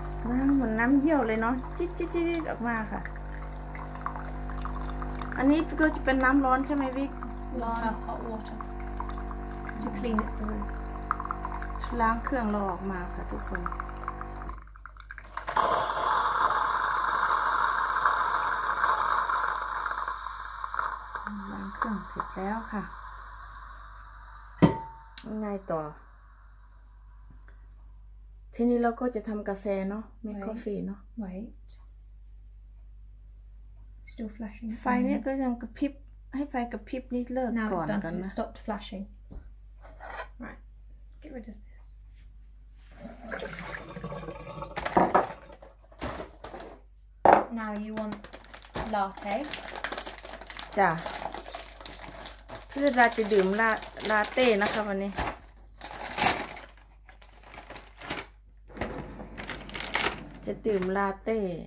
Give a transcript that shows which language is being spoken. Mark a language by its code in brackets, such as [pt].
[th] ล้างเหมือนน้ำเยี่ยวเลยเนาะจิ๊ดจิ๊ดจิ๊ดออกมาค่ะอันนี้ก็จะเป็นน้ำร้อนใช่ไหมวิก ร้อน [en] hot water to clean it through [th] ล้างเครื่องเราออกมาค่ะทุกคนล้างเครื่องเสร็จแล้วค่ะยังไงต่อทีนี้เราก็จะทำกาแฟเนาะเมคคอฟฟี่เนาะ [en] wait still flashing [th] ไฟเนี่ยก็ยังกระพริบให้ไฟกระพริบนิดเลิกก่อนกันนะ [en] now it's done it stopped flashing right get rid of this now you want latte [th] จ้ะพี่ดาจะดื่มลาเต้นะคะวันนี้จะดื่มลาเต้